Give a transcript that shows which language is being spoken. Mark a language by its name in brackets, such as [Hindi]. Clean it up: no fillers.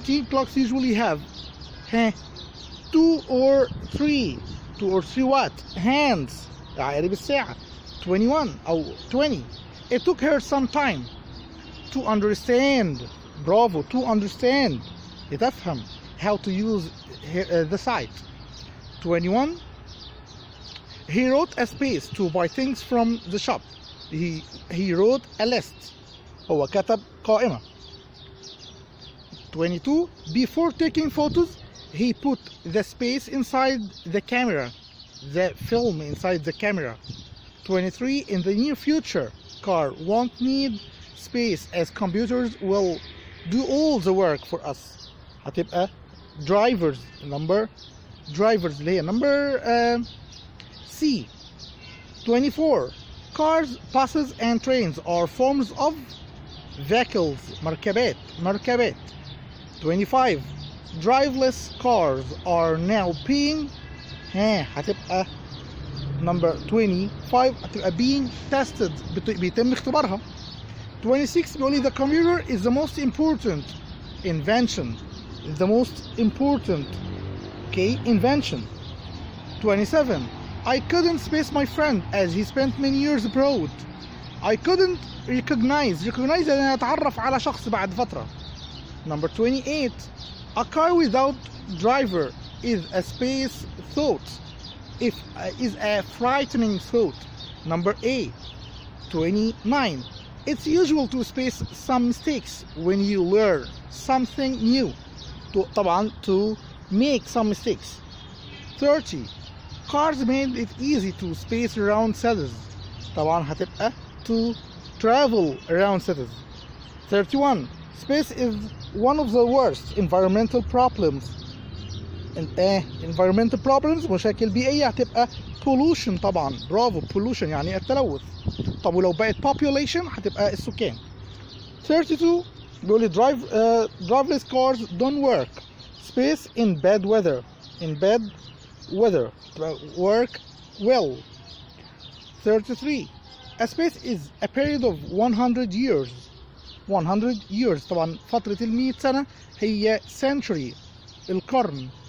[English] Clocks usually have, number 19, two or three what? Hands, [Arabic] عقارب الساعة. [English] 21 أو 20, it took her some time to understand, bravo, to understand, يتفهم, how to use the site. 21, he wrote a space to buy things from the shop. He wrote a list. [Arabic] هو كتب قائمة. [English] 22, before taking photos, he put the space inside the camera, the film inside the camera. 23, in the near future, car won't need space as computers will do all the work for us. [Arabic] هتبقى drivers اللي هي number C. [English] 24, cars, buses and trains are forms of vehicles, مركبات. 25, driverless cars are now being, هتبقى [Arabic] نمبر 25 هتبقى [English] being tested [Arabic] بيتم اختبارها. [English] 26 بيقولي the computer is the most important invention, the most important okay invention. 27 I couldn't space my friend as he spent many years abroad. I couldn't recognize [Arabic] أن أتعرف على شخص بعد فترة. [English] Number 28 a car without driver is a space thought. If is a frightening thought. Number A. 29. It's usual to space some mistakes when you learn something new. [Arabic] طبعاً [English] to make some mistakes. 30. Cars made it easy to space around cities. [Arabic] طبعاً هتبقى [English] to travel around cities. 31. Space is one of the worst environmental problems. Environmental problems [Arabic] مشاكل بيئية هتبقى pollution طبعا برافو pollution يعني التلوث. طب ولو بقت population هتبقى السكان. [English] 32 بيقولي driverless cars don't work space in bad weather work well. 33 a space is a period of 100 years [Arabic] طبعا فترة المية سنة هي [English] century القرن.